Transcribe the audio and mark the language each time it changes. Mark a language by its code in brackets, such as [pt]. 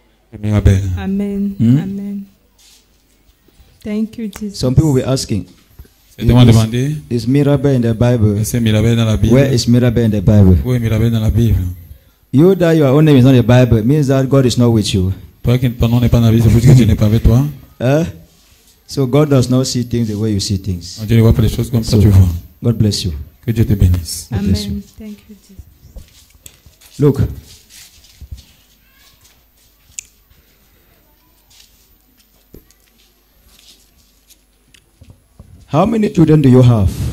[en] Mirabel. Amen. Amen. Thank you, Jesus. Some people were asking. Is Mirabel in the Bible? [fr] C'est Mirabel dans la Bible. [en] Where is Mirabel in the Bible? [fr] Où est Mirabel dans la Bible? [en] You that your own name is not in the Bible means that God is not with you. [fr] Toi qui ton nom n'est pas dans la Bible, c'est parce que tu n'es pas avec toi. [en] So God does not see things the way you see things. [fr] Dieu ne voit pas les choses comme ça tu vois. [en] God bless you. [fr] Que Dieu te bénisse. [en] Amen. Thank you, Jesus. Look. How many children do you have?